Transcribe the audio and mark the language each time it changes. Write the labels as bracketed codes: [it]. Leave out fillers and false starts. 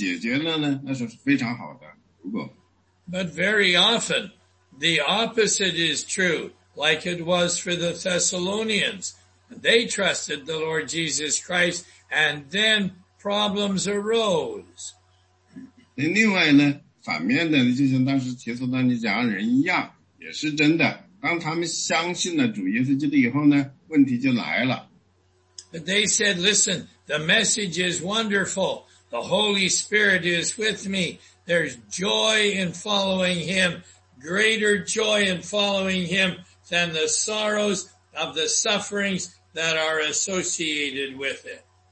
[zh] 有时候呢，你来相信主耶稣基督，是因为在你的人生中有很多大的问题，你为了解决这些问题而信的主。但是这些问题被解决了呢，那是非常好的。如果 [en] But very often the opposite is true, like it was for the Thessalonians. They trusted the Lord Jesus Christ, and then problems arose. [zh] 另外呢，反面的，就像当时提摩太讲的人一样，也是真的。当他们相信了主耶稣基督以后呢，问题就来了。 [en] But they said, listen, the message is wonderful. The Holy Spirit is with me. There's joy in following him, greater joy in following him than the sorrows of the sufferings that are associated with it.